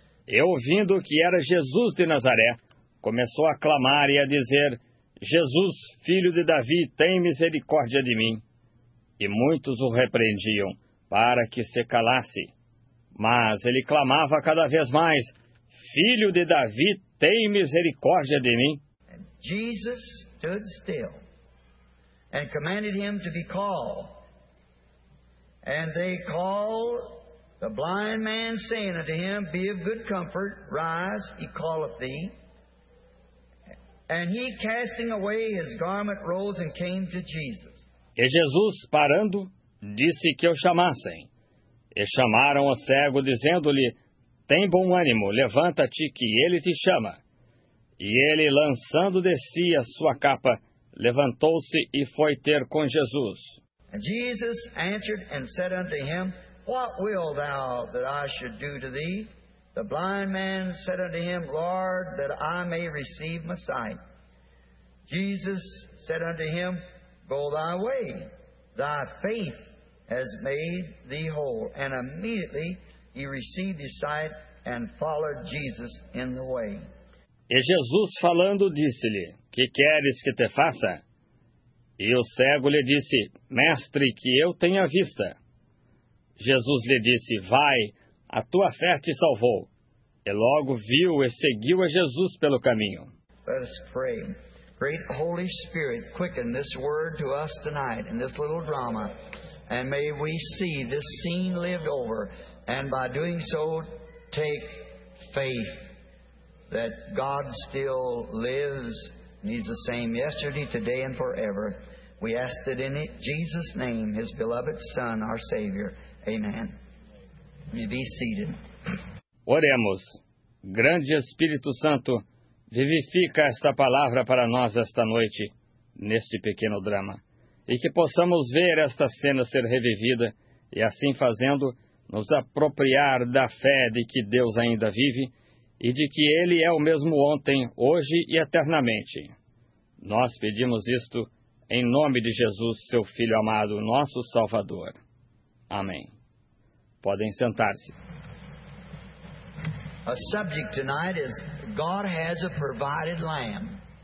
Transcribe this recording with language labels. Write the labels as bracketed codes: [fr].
[pt] E ouvindo que era Jesus de Nazaré, começou a clamar e a dizer, Jesus, filho de Davi, tem misericórdia de mim. E muitos o repreendiam, para que se calasse. Mas ele clamava cada vez mais, filho de Davi, tem misericórdia de mim. [en] And Jesus stood still and commanded him to be called. And they called the blind man, saying unto him, be of good comfort, rise, he calleth thee. And he, casting away his garment, rose and came to Jesus. [pt] E Jesus, parando, disse que o chamassem. E chamaram o cego, dizendo-lhe, tem bom ânimo, levanta-te, que ele te chama. E ele, lançando de si a sua capa, levantou-se e foi ter com Jesus. [en] And Jesus answered and said unto him, what will thou that I should do to thee? The blind man said unto him, Lord, that I may receive my sight. Jesus said unto him, go thy way, thy faith has made thee whole. And immediately he received his sight and followed Jesus in the way. [pt] E Jesus falando disse-lhe, que queres que te faça? E o cego lhe disse, mestre, que eu tenha vista. Jesus lhe disse, vai, a tua fé te salvou. E logo viu e seguiu a Jesus pelo caminho. [en] Let us pray. Great Holy Spirit, quicken this word to us tonight in this little drama. And may we see this scene lived over. And by doing so, take faith that God still lives. He's the same yesterday, today, and forever. We ask that in Jesus' name, His beloved Son, our Savior. Amen. You be seated. [pt] Oremos. Grande Espírito Santo, vivifica esta palavra para nós esta noite, neste pequeno drama, e que possamos ver esta cena ser revivida, e assim fazendo, nos apropriar da fé de que Deus ainda vive, e de que Ele é o mesmo ontem, hoje e eternamente. Nós pedimos isto em nome de Jesus, seu Filho amado, nosso Salvador. Amém. Podem sentar-se. [en] A subject tonight is God has a provided lamb.